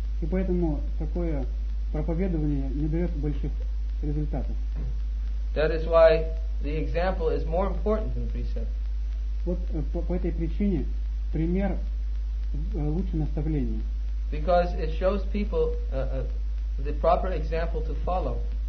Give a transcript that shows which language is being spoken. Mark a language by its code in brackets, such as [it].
[ru] И поэтому такое проповедование не дает больших результатов. [en] That is why the example is more important than precept. [ru] Вот по этой причине пример лучше наставления. [en] Because it shows people the proper example to follow.